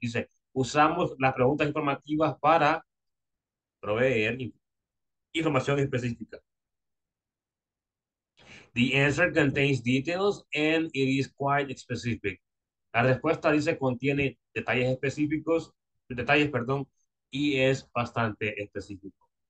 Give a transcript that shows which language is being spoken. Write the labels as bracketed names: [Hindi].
[Spanish] Dice, usamos las preguntas informativas para proveer información específica. [English] The answer contains details and it is quite specific. [Spanish] La respuesta dice contiene detalles específicos, detalles, perdón, y es bastante específico.